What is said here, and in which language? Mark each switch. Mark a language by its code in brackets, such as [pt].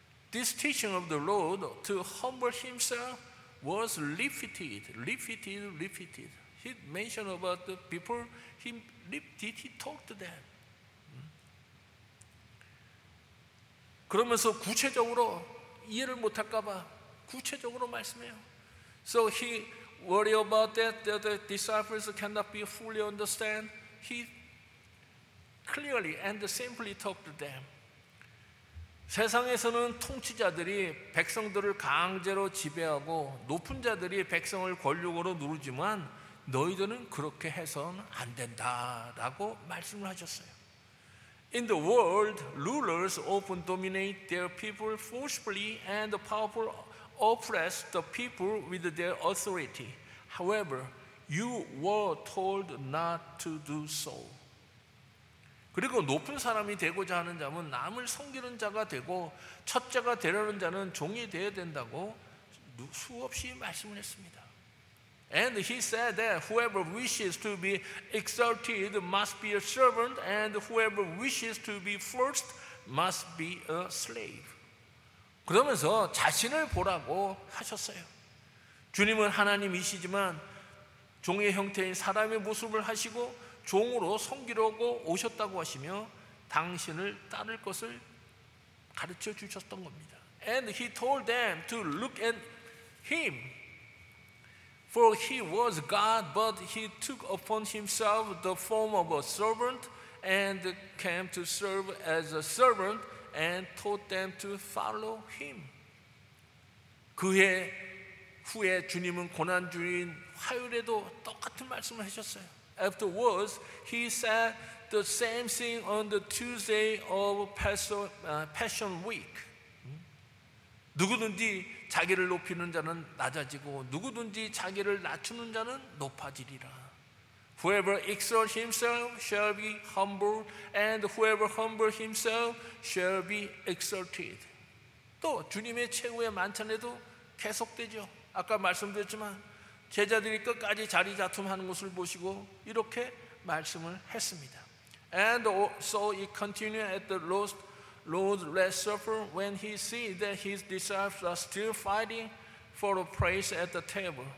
[en] This teaching of the Lord to humble himself was repeated. He mentioned about the people he lifted, he talked to them. [ko] 그러면서 구체적으로 이해를 못할까 봐 구체적으로 말씀해요. [en] So he worried about that, that the disciples cannot be fully understand. He clearly and simply talked to them. [ko] 세상에서는 통치자들이 백성들을 강제로 지배하고 높은 자들이 백성을 권력으로 누르지만 너희들은 그렇게 해서는 안 된다라고 말씀을 하셨어요. [en] In the world, rulers often dominate their people forcefully and the powerful oppress the people with their authority. However, you were told not to do so. [ko] 그리고 높은 사람이 되고자 하는 자는 남을 섬기는 자가 되고 첫째가 되려는 자는 종이 되어야 된다고 수없이 말씀을 했습니다. [en] And he said that whoever wishes to be exalted must be a servant and whoever wishes to be first must be a slave. [ko] 그러면서 자신을 보라고 하셨어요. 주님은 하나님이시지만 종의 형태인 사람의 모습을 하시고 종으로 섬기려고 오셨다고 하시며 당신을 따를 것을 가르쳐 주셨던 겁니다. [en] And he told them to look at him. For he was God, but he took upon himself the form of a servant and came to serve as a servant and taught them to follow him. [ko] 그의 후에 주님은 고난 중인 화요일에도 똑같은 말씀을 하셨어요. [en] Afterwards, he said the same thing on the Tuesday of Passion Week. [ko] 누구든지 자기를 높이는 자는 낮아지고 누구든지 자기를 낮추는 자는 높아지리라. [en] Whoever exalts himself shall be humbled, and whoever humbles himself shall be exalted. [ko] 또 주님의 최후의 만찬에도 계속되죠. 아까 말씀드렸지만 제자들이 끝까지 자리다툼하는 것을 보시고 이렇게 말씀을 했습니다. [en] And so it continued at the Lord's Last Supper when he sees that his disciples are still fighting for a place at the table.